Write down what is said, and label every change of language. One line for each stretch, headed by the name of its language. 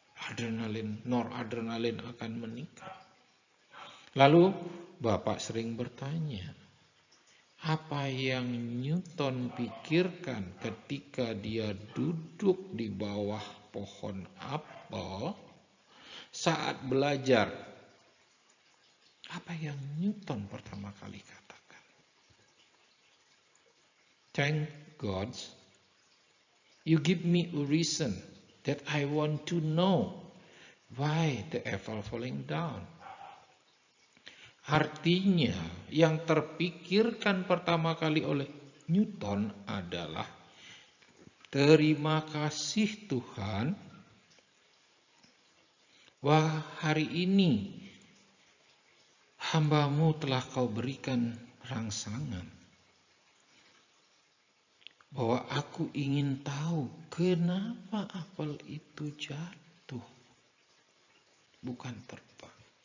Indonesian: adrenalin, noradrenalin akan meningkat. Lalu Bapak sering bertanya, apa yang Newton pikirkan ketika dia duduk di bawah pohon apel saat belajar? Apa yang Newton pertama kali katakan?
English: Thank God you give me a reason that I want to know why the apple falling down.
Indonesian: Artinya, yang terpikirkan pertama kali oleh Newton adalah, terima kasih Tuhan, wah hari ini hamba-Mu telah Kau berikan rangsangan bahwa aku ingin tahu kenapa apel itu jatuh, bukan terbang.